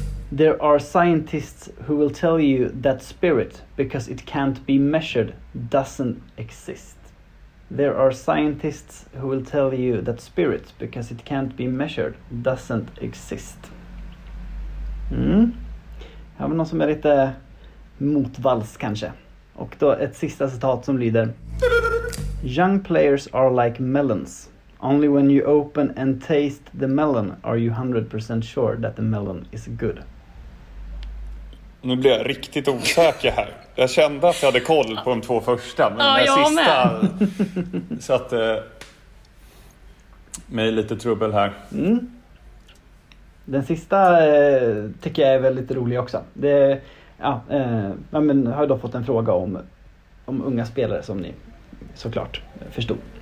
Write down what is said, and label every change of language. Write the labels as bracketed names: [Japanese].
[English] There are scientists who will tell you that spirit, because it can't be measured, doesn't exist. There are scientists who will tell you that spirit, because it can't be measured, doesn't exist. [Swedish] Ja, men någon som är lite motvalls kanske. Och då ett sista citat som lyder: [English] young players are like melons. Only when you open and taste the melon are you 100% sure that the melon is good. [Swedish] Nu blev jag riktigt osäker här. Jag kände att jag hade koll på de två första, men ja, den sista med. Så att mig lite trubbel här. Mm. Den sista tycker jag är väldigt rolig också. Det, ja, men har jag då fått en fråga om unga spelare som ni såklart förstod.